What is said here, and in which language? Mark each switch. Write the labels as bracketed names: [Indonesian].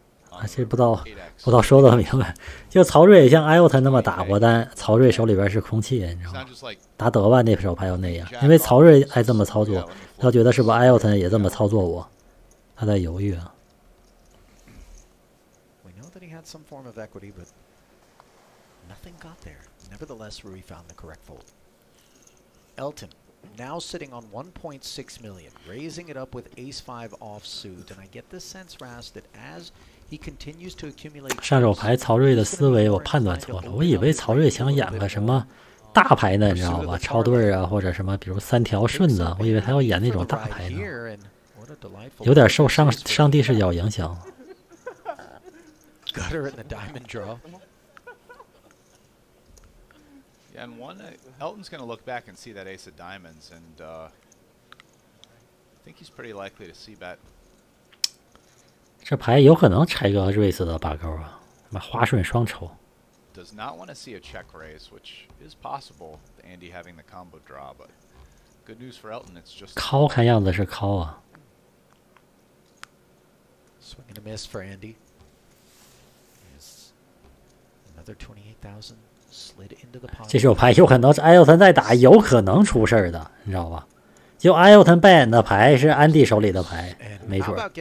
[Chinese] 啊，这不知道说的明白，就曹睿也像艾尔森那么打过，但曹睿手里边是空气，你知道吗？打德万那手牌就那样，因为曹睿爱这么操作，他觉得是不是艾尔森也这么操作我，他在犹豫啊。 [English] We know that he had some form of equity, but nothing got there. Nevertheless, Rui found the correct fold. Elton now sitting on 1.6 million, raising it up with Ace Five off suit, and I get the sense, Ras, that as he continues to accumulate. [Chinese] 上手牌曹睿的思维我判断错了，我以为曹睿想演个什么。大牌呢，你知道吧？超对啊，或者什么，比如三条顺子，我以为他要演那种大牌呢，有点受上帝视角影响。 [English] Gutter in the diamond draw. Yeah, and one Elton's going to look back and see that ace of diamonds, and I think he's pretty likely to see bet. [Chinese] 这牌有可能拆个 raise 的把钩啊，什么花顺双抽。 [English] Does not want to see a check raise, which is possible. Andy having the combo draw, but good news for Elton, it's just [Chinese] call. 看样子是 call 啊。 [English] Swing and a miss for Andy. Yes. Another 28,000 slid into the pot. [Chinese] 这手牌有可能是艾尔森在打，有可能出事的，你知道吧？就艾尔森扮演的牌是安迪手里的牌，没准。